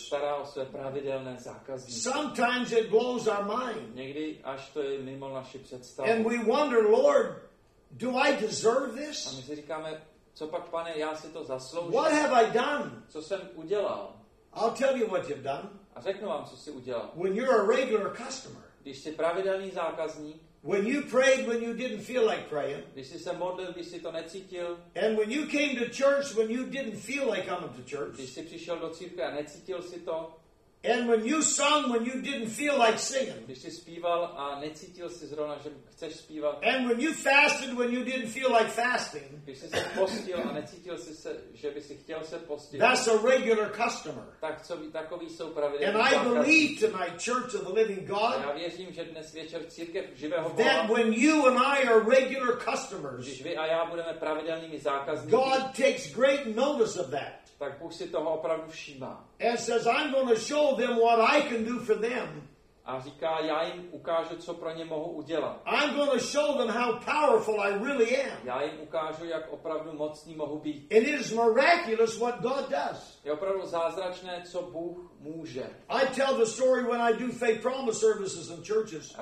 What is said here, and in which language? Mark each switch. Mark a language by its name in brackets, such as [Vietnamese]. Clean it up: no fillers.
[Czech] Stará o své pravidelné zákazníky. [English] Sometimes it blows our mind. [Czech] Někdy až to je mimo naši představu. [English] And we wonder, Lord, do I deserve this? [Czech] A my si říkáme, co pak, pane, já si to zasloužím? [English] What have I done? [Czech] Co jsem udělal? [English] I'll tell you what you've done. [Czech] A řeknu vám, co jsi udělal. [English] When you're a regular customer. [Czech] Když jsi pravidelný zákazník. [English] When you prayed when you didn't feel like praying. [Czech] Když jsi se modlil, když jsi to necítil. [English] And when you came to church when you didn't feel like coming to church. [Czech] Když jsi přišel do církve a necítil jsi to. [English] And when you sung when you didn't feel like singing. [Czech] Když jsi zpíval a necítil jsi zrovna, že chceš zpívat. [English] And when you fasted when you didn't feel like fasting. [Czech] Když jsi se postil a necítil jsi se, že bys chtěl se postit. [English] That's a regular customer. [Czech] Takový jsou pravidelní. [English] And I believe tonight, Church of the Living God. [Czech] Já věřím, že dnes večer církev živého Boha. [English] That when you and I are regular customers. [Czech] Když vy a já budeme pravidelnými zákazníky. [English] God takes great notice of that. [Czech] Tak Bůh si toho opravdu všímá. [English] And says, I'm going to show them what I can do for them. [Czech] A říká, já jim ukážu, co pro ně mohu udělat. [English] I'm going to show them how powerful I really am. [Czech] Já jim ukážu, jak opravdu mocný mohu být. [English] And it is miraculous what God does. [Czech] Je opravdu zázračné, co Bůh může. [English] I tell the story when I do faith promise services in churches.